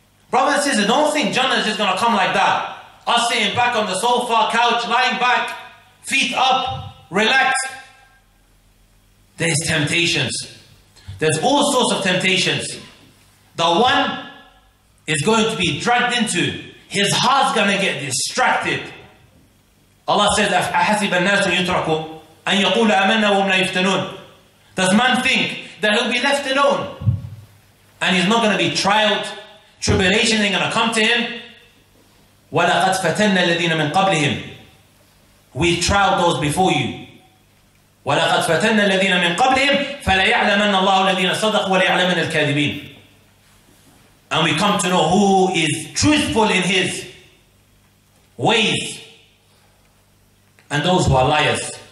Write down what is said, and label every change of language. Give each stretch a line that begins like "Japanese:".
English: Brothers and sisters, don't think Jannah is just gonna come like that. Us sitting back on the sofa, couch, lying back, feet up, relaxed. There's temptations. There's all sorts of temptations. The one is going to be dragged into, his heart's gonna get distracted.
Arabic: Allah says, أَحَسِبَ النَّاسُ يُتْرَكُوا أَن يَقُولَ أَمَنَّا وَهُمْ لَا يُفْتَنُونَ.
English: Does man think that he'll be left alone and he's not gonna be trialed, tribulation ain't gonna come to him?
Arabic: وَلَقَدْ فَتَنَّا الَّذِينَ مِنْ قَبْلِهِمْ.
English: We've trialed those before you. وَلَقَدْ فَتَنَّا الَّذِينَ مِنْ قَبْلِهِمْ فَلَيَعْلَمَنَّ اللَّهُ الَّذِينَ صَدَقُوا وَلَيَعْلَمَنَّ الْكَاذِبِينَ. And we come to know who is truthful in his ways and those who are liars.